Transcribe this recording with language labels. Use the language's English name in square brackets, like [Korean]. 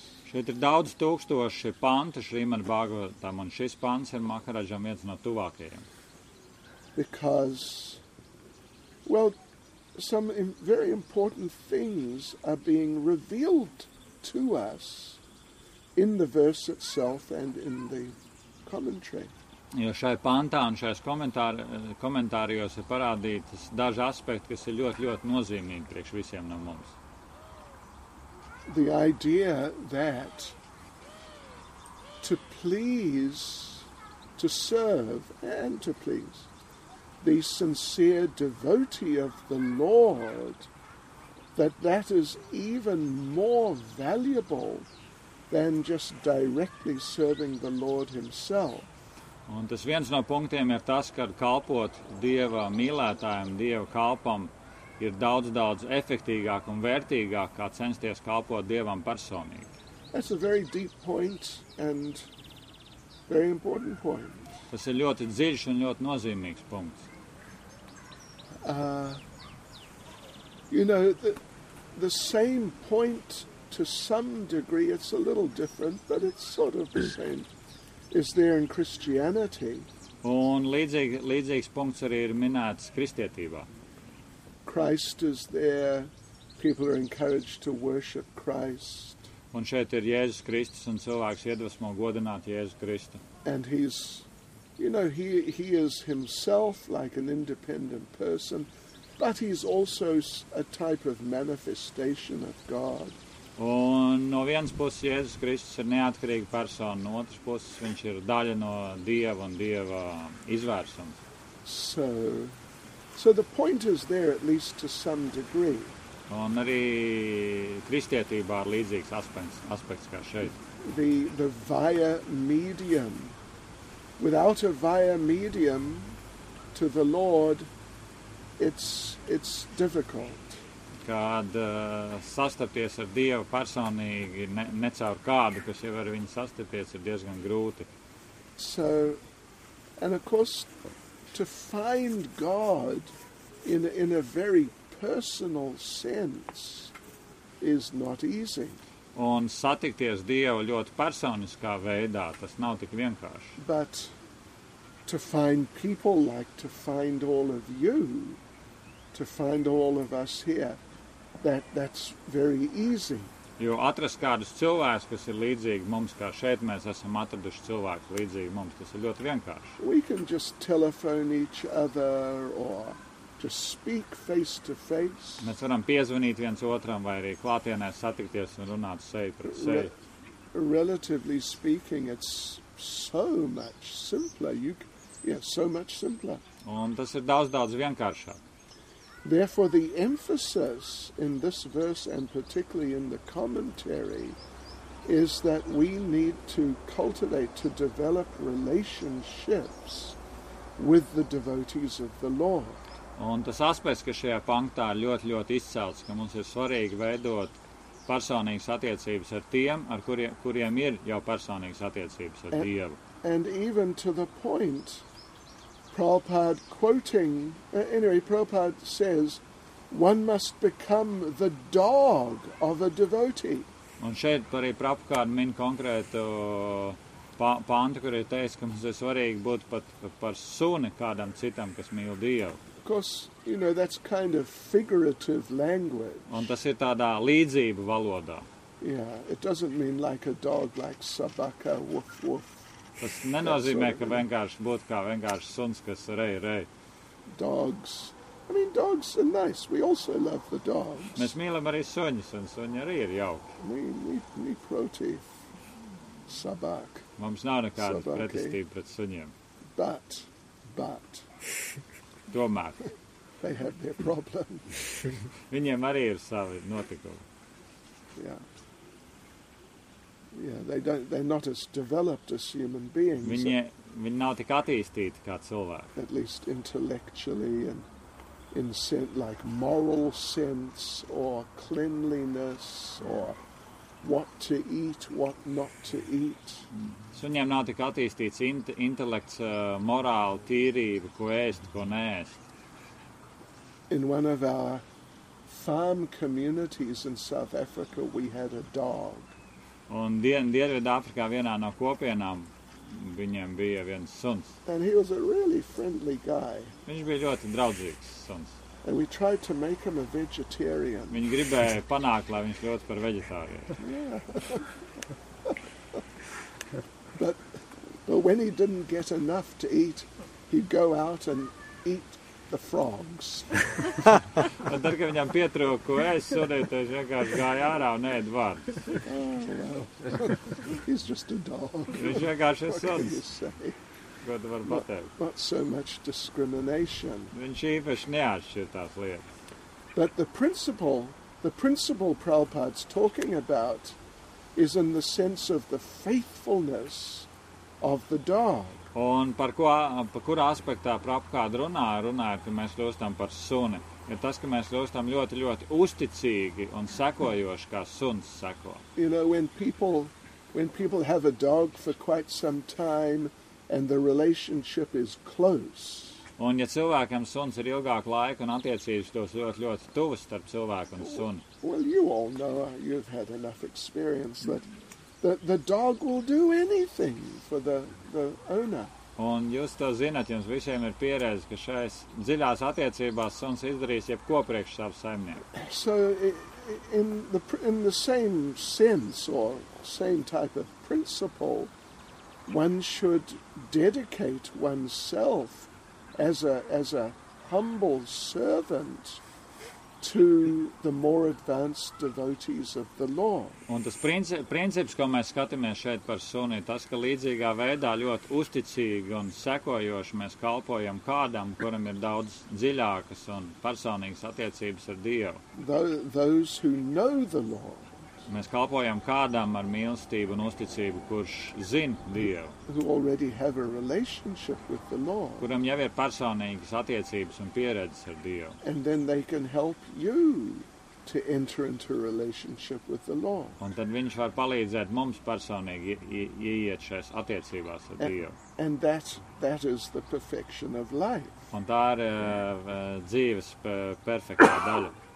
[Latvian] Šeit ir daudz tūkstoši panta Šrīmad Bhāgavatam, un šis pants ir Maharadžam viens no tuvākajiem. [English] Because, well, some very important things are being revealed to us in the verse itself and in the commentary. [Latvian] Jo šai pantā un šais komentārijos ir parādītas daži aspekti, kas ir ļoti, ļoti nozīmīgi priekš visiem no mums. [English] The idea that to please, to serve, and to please the sincere devotee of the Lord, that is even more valuable than just directly serving the Lord himself. [Latvian] Un tas viens no punktiem ir tas, ka kalpot Dieva mīlētājiem, Dieva kalpam, ir daudz, daudz efektīgāk un vērtīgāk, kā censties kalpot Dievam personīgi. [English] That's a very deep point and very important point. [Latvian] Tas ir ļoti dziļš un ļoti nozīmīgs punkts. [English] You know, the same point to some degree, it's a little different, but it's sort of the same is there in Christianity. [Latvian] Un līdzīgs punkts arī ir minēts kristietībā. [English] Christ is there, people are encouraged to worship Christ. [Latvian] Un šeit ir Jēzus Kristus, un cilvēks iedvesmo godināt Jēzus Kristu. [English] And he's, you know, he is himself like an independent person, but he's also a type of manifestation of God. [Latvian] Un no vienas puses Jēzus Kristus ir neatkarīga persona, no otras puses viņš ir daļa no Dieva un Dieva izvērsums. [English] So the point is there at least to some degree. [Latvian] Un arī kristietībā ir līdzīgs aspekts kā šeit. [English] The via medium. Without a via medium to the Lord, it's difficult. [Latvian] Kad sastapties ar Dievu personīgi, necaur kādu, kas jau ar viņu sastapties, ir diezgan grūti. [English] So, and of course, to find God in a very personal sense is not easy. [Latvian] Un satikties Dievu ļoti personiskā veidā, tas nav tik vienkārši. [English] But to find people like to find all of you, to find all of us here, that's very easy. [Latvian] Jo atrast kādus cilvēkus, kas ir līdzīgi mums, kā šeit mēs esam atraduši cilvēkus līdzīgi mums, tas ir ļoti vienkārši. [English] We can just telephone each other or just speak face to face. [Latvian] Mēs varam piezvanīt viens otram vai arī klātienē satikties un runāt seju pret seju. [English] Relatively speaking, it's so much simpler. So much simpler. [Latvian] Un tas ir daudz, daudz vienkāršāk. [English] Therefore, the emphasis in this verse and particularly in the commentary is that we need to cultivate, to develop relationships with the devotees of the Lord. [Latvian] Un tas aspekts, kas šajā punktā ir ļoti, ļoti izcelts, ka mums ir svarīgi veidot personīgas attiecības ar tiem, ar kuriem ir jau personīgas attiecības ar Dievu. [English] And even to the point, Prabhupada quoting, anyway, Prabhupada says, one must become the dog of a devotee. [Latvian] Un šeit arī Prabhupada min konkrētu pantu, kur ir teicis, ka mums ir svarīgi būt pat par suni kādam citam, kas mīl Dievu. [English] Of course, you know, that's kind of figurative language. [Latvian] Un tas ir tādā līdzību valodā. [English] Yeah, it doesn't mean like a dog, like sabaka, woof, woof. [Latvian] Tas nenozīmē, ka vienkārši būtu kā vienkārši suns, kas rei, rei. [English] Dogs. I mean, dogs are nice. We also love the dogs. [Latvian] Mēs mīlam arī suņus, un suņi arī ir jauki. [Russian] Mi proti sabak. [Latvian] Mums nav nekāda pretestība pret suņiem. [English] But. [Latvian] Tomēr. [English] They have their problems. [Latvian] Viņiem arī ir savi notikumi. [English] Yeah, they're not as developed as human beings. [Latvian] Viņi nav tik attīstīti kā cilvēki. [English] At least intellectually and in sense, like moral sense or cleanliness or what to eat, what not to eat. [Latvian] Suņiem nav tik attīstīts intelekts, morāli, tīrība, ko ēst, ko neēst. [English] In one of our farm communities in South Africa, we had a dog. [Latvian] Un Dienvidu Āfrikā vienā no kopienām viņiem bija viens suns. [English] And he was a really friendly guy. [Latvian] Viņš bija ļoti draudzīgs suns. [English] And we tried to make him a vegetarian. [Latvian] Viņi gribēja panākt, lai viņš ļoti par vegetārijai. [English] But when he didn't get enough to eat, he'd go out and eat the frogs. [Latvian] Bet tad, kad viņam pietrūk, ko es sūdētu, es vienkārši gāju ārā un ēd vārds. [English] He's just a dog. [Latvian] Viņš vienkārši ir suns. Ko tu vari pateikt? [English] Not so much discrimination. [Latvian] Viņš īpaši neatšķir tās lietas. [English] But the principle Prabhupada's talking about is in the sense of the faithfulness of the dog. [Latvian] Un par ko, par kurā aspektā Prabhupāda runā, runājot, ka mēs kļūstam par suni, ir tas, ka mēs kļūstam ļoti, ļoti uzticīgi un sekojoši, kā suns seko. [English] You know, when people have a dog for quite some time and the relationship is close. [Latvian] Un ja cilvēkam suns ir ilgāku laiku un attiecības tos ļoti, ļoti tuvas starp cilvēku un suni. [English] Well, you all know, you've had enough experience that the dog will do anything for the owner. [Latvian] Un jūs to zināt, jums visiem ir pieredze, ka šais dziļās attiecībās suns izdarīs jebko priekš savu saimnieku. [English] So in the same sense or same type of principle, one should dedicate oneself as a humble servant to the more advanced devotees of the Lord. [Latvian] Un tas princips, ko mēs skatāmies šeit par suni, tas, ka līdzīgā veidā ļoti uzticīgi un sekojoši mēs kalpojam kādam, kuram ir daudz dziļākas un personīgas attiecības ar Dievu. [English] Those who know the Lord. [Latvian] Mēs kalpojam kādam ar mīlestību un uzticību, kurš zin Dievu. [English] Who already have a relationship with the Lord. [Latvian] Kuram jau ir personīgas attiecības un pieredzes ar Dievu. [English] And then they can help you to enter into a relationship with the Lord. [Latvian] Un tad viņš var palīdzēt mums personīgi ieiet šajās attiecībās ar Dievu. [English] And that is the perfection of life. [Latvian] Un tā ir dzīves perfektā daļa.